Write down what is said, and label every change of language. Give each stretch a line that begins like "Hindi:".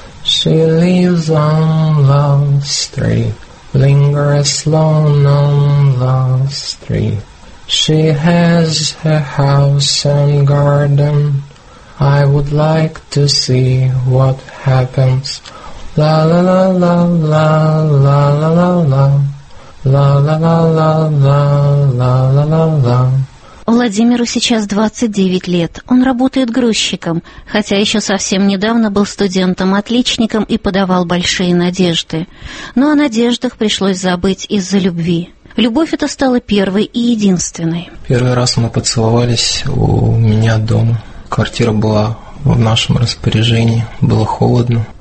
English: She lives on Love Street. Lingers long on Love Street. She has her house and garden. I would like to see what happens. La la la la la la la la la la la la la la la la la la.
Russian: Владимиру сейчас 29 лет. Он работает грузчиком, хотя еще совсем недавно был студентом-отличником и подавал большие надежды. Но о надеждах пришлось забыть из-за любви. Любовь эта стала первой и единственной. Первый раз мы поцеловались у меня дома. Квартира была в нашем распоряжении. Было холодно.